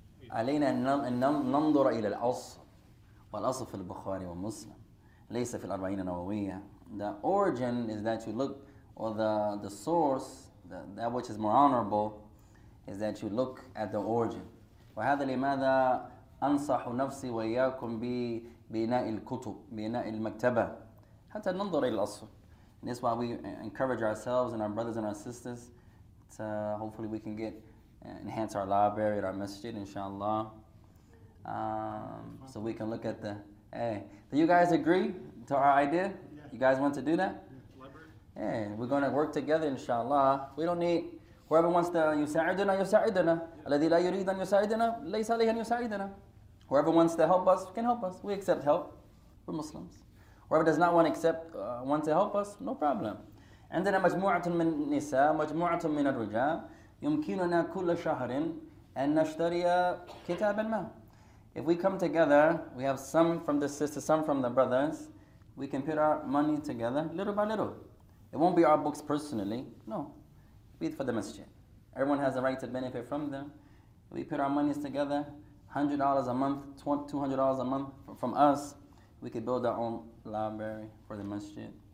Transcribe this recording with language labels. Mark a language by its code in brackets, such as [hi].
[ar] علينا أن ننظر إلى الأصل والأصل في البخاري ومسلم ليس في الأربعين النووية. [en] The origin is that you look, or the source, that which is more honorable, is that you look at the origin. [ar] وهذا لماذا أنصح نفسي وإياكم ببناء الكتب بناء المكتبة حتى ننظر إلى الأصل. [en] And this is why we encourage ourselves and our brothers and our sisters to hopefully we can get enhance our library and our masjid, inshallah. So we can look at the. Hey, do you guys agree to our idea? Yeah. You guys want to do that? Yeah. Hey, we're going to work together, inshallah. We don't need. Whoever wants to [ar] yusa'iduna, yusa'iduna. Alladhi la yurid an yusa'iduna, [en] laysa alayhi an yusa'iduna. Whoever wants to help us can help us. We accept help. We're Muslims. Whoever does not want to accept, want to help us, no problem. [ar] عندنا مجموعة من النساء مجموعة من الرجال يمكننا كل شهر أن نشتري كتابا ما. [en] If we come together, we have some from the sisters, some from the brothers, we can put our money together little by little. It won't be our books personally, no. Be it for the masjid. Everyone has the right to benefit from them. We put our monies together, $100 a month, $200 a month from us, we could build our own library for the masjid.